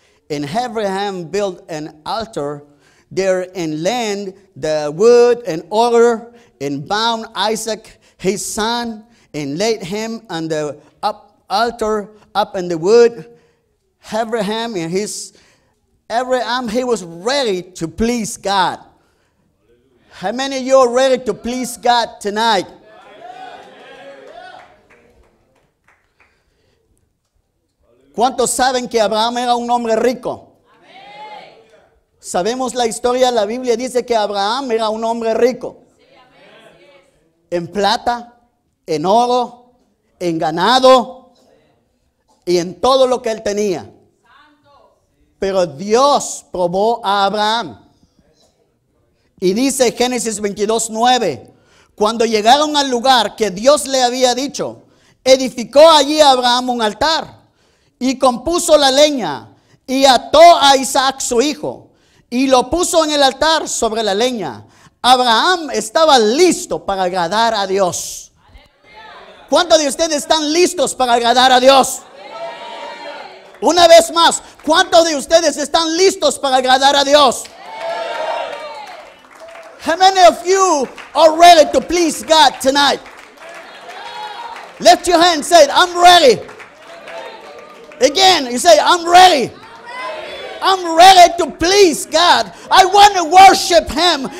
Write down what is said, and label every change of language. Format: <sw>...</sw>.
<en>And Abraham built an altar there and laid the wood and oil and bound Isaac his son and laid him on the altar up in the wood. Abraham and his Abraham, he was ready to please God. How many of you are ready to please God tonight?</en> <es>¿Cuántos saben que Abraham era un hombre rico? Amén. Sabemos la historia, la Biblia dice que Abraham era un hombre rico. Sí, en plata, en oro, en ganado y en todo lo que él tenía. Pero Dios probó a Abraham. Y dice Génesis 22:9, cuando llegaron al lugar que Dios le había dicho, edificó allí Abraham un altar. Y compuso la leña y ató a Isaac su hijo y lo puso en el altar sobre la leña. Abraham estaba listo para agradar a Dios. ¡Aleluya! ¿Cuántos de ustedes están listos para agradar a Dios? ¡Aleluya! Una vez más, ¿cuántos de ustedes están listos para agradar a Dios? ¡Aleluya!</es> <en>How many of you are ready to please God tonight?</en> <es>¡Aleluya!</es> <en>Lift your hand and say, I'm ready. Again, you say, I'm ready. I'm ready to please God. I want to worship Him.</en>